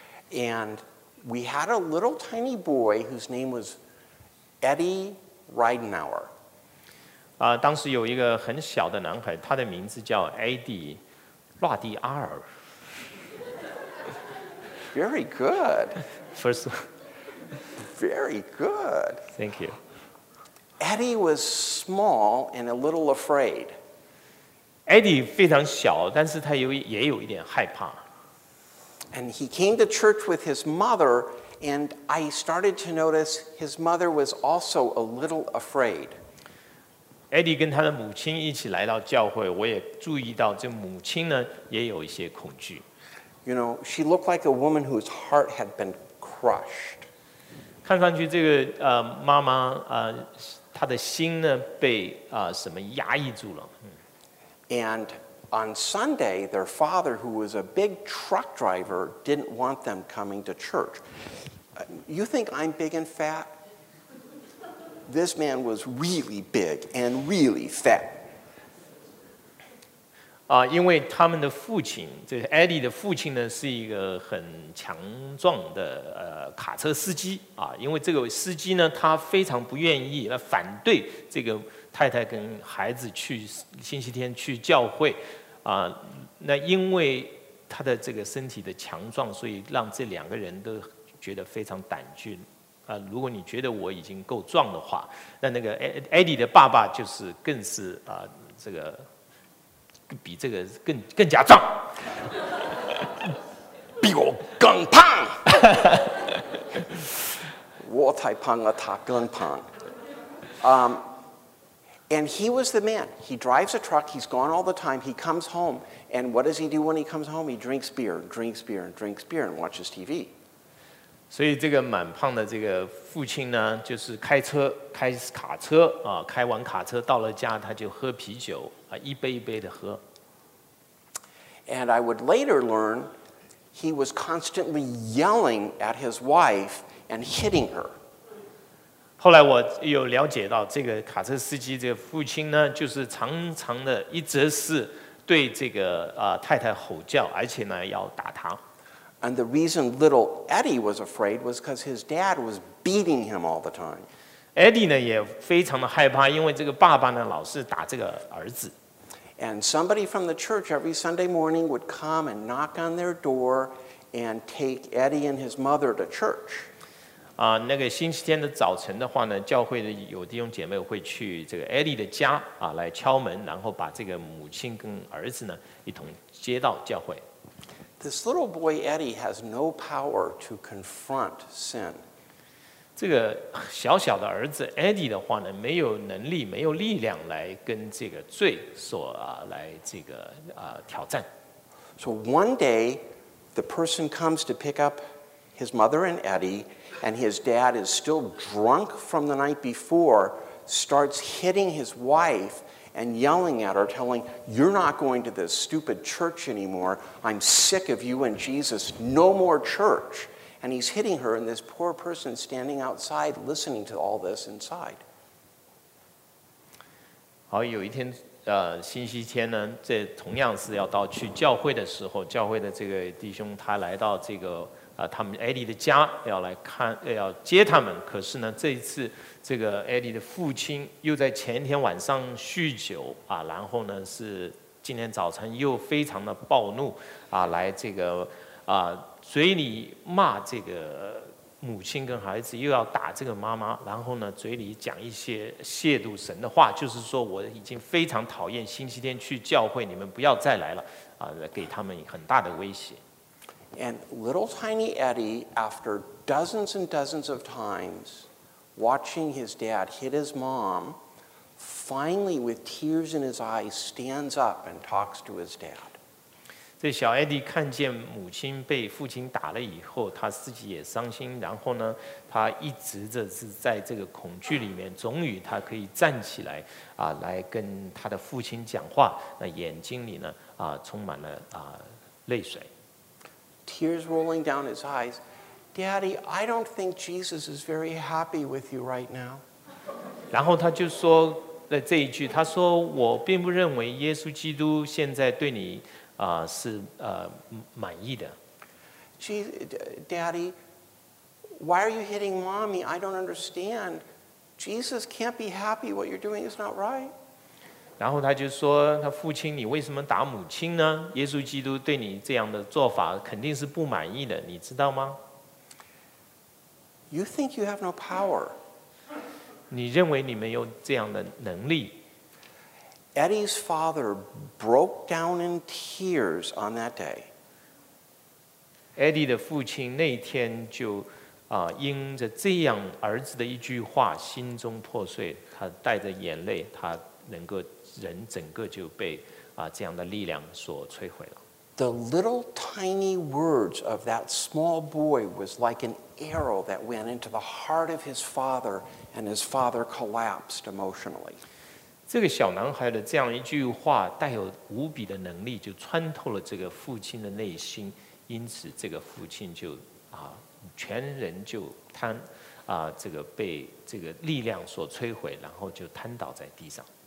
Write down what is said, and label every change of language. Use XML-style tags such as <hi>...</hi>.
<en>And we had a little tiny boy whose name was Eddie Ridenour.</en> <zh>当时有一个很小的男孩，他的名字叫 Eddie 拉迪阿尔。</zh> <en>Very good. First. Very good. Thank you. Eddie was small and a little afraid.</en> <zh>Eddie 非常小，但是他也有一点害怕。</zh> <en>And he came to church with his mother, and I started to notice his mother was also a little afraid.</en> <zh>Eddie 跟他的母亲一起来到教会，我也注意到这母亲呢也有一些恐惧。</zh> <en>You know, she looked like a woman whose heart had been crushed.</en> <zh>看上去这个妈妈她的心呢被什么压抑住了。</zh> <en>And on Sunday, their father, who was a big truck driver, didn't want them coming to church. You think I'm big and fat? This man was really big and really fat.</en> <zh>因为他们的父亲，这 Eddie 的父亲呢，是一个很强壮的卡车司机因为这个司机呢，他非常不愿意来反对这个太太跟孩子去星期天去教会。那因为他的这个身体的强壮，所以让这两个人都觉得非常胆怯。如果你觉得我已经够壮的话，那个 Eddie 的爸爸就是更是这个比这个更加壮，比我更胖。我太胖了，他更胖。</zh> <en>And he was the man. He drives a truck. He's gone all the time. He comes home. And what does he do when he comes home? He drinks beer, drinks beer, drinks beer, and watches TV.</en> <zh>所以这个满胖的这个父亲呢，就是开车，开卡车，开完卡车到了家，他就喝啤酒，一杯一杯的喝。</zh> <en>And I would later learn he was constantly yelling at his wife and hitting her.</en> <zh>后来我有了解到这个卡车司机这个父亲呢就是常常的一直是对这个太太吼叫而且呢要打他。</zh> <en>And the reason little Eddie was afraid was because his dad was beating him all the time.</en> <zh>Eddie 呢也非常的害怕因为这个爸爸呢老是打这个儿子。</zh> <en>And somebody from the church every Sunday morning would come and knock on their door and take Eddie and his mother to church.</en> <zh>那个星期天的早晨的话呢，教会的有弟兄姐妹会去这个 Eddie 的家来敲门，然后把这个母亲跟儿子呢一同接到教会。</zh> <en>This little boy Eddie has no power to confront sin.</en> <zh>这个小小的儿子 Eddie 的话呢，没有能力、没有力量来跟这个罪所来这个挑战。</zh> <en>So one day, the person comes to pick up his mother and Eddie. And his dad is still drunk from the night before, starts hitting his wife and yelling at her, telling, you're not going to this stupid church anymore. I'm sick of you and Jesus. No more church. And he's hitting her, and this poor person standing outside listening to all this inside.</en> <zh>好，有一天，星期天呢，这同样是要到去教会的时候，教会的这个弟兄他来到这个他们 Eddie 的家要来看，要接他们。可是呢，这一次这个 Eddie 的父亲又在前天晚上酗酒啊，然后呢是今天早晨又非常的暴怒啊，来这个啊嘴里骂这个母亲跟孩子，又要打这个妈妈，然后呢嘴里讲一些亵渎神的话，就是说我已经非常讨厌星期天去教会，你们不要再来了啊，给他们很大的威胁。</zh> <en>And little tiny Eddie, after dozens and dozens of times watching his dad hit his mom, finally, with tears in his eyes, stands up and talks to his dad.</en> <zh>这小 Eddie 看见母亲被父亲打了以后，他自己也伤心，然后呢，他一直的是在这个恐惧里面，终于他可以站起来啊，来跟他的父亲讲话，那眼睛里呢啊，充满了啊泪水。</zh> <en>Tears rolling down his eyes. Daddy, I don't think Jesus is very happy with you right now.</en> <zh>然后他就说了这一句，他说我并不认为耶稣基督现在对你是满意的。</zh> <en>Daddy, why are you hitting mommy? I don't understand. Jesus can't be happy. What you're doing is not right.</en> <zh>然后他就说他父亲，你为什么打母亲呢？耶稣基督对你这样的做法肯定是不满意的，你知道吗？</zh> <en>You think you have no power.</en> <zh>你认为你没有这样的能力。</zh> <en>Eddie's father broke down in tears on that day.</en> <zh>Eddie 的父亲那天就因着这样儿子的一句话心中破碎，他带着眼泪，他能够人整个就被这样的力量所摧毁了。</zh> <en>The little tiny words of that small boy was like an arrow that went into the heart of his father, and his father collapsed emotionally.</en> <zh>这个小男孩的这样一句话带有无比的能力，就穿透了这个父亲的内心，因此这个父亲就全人就瘫这个被这个力量所摧毁，然后就瘫倒在地上。</zh>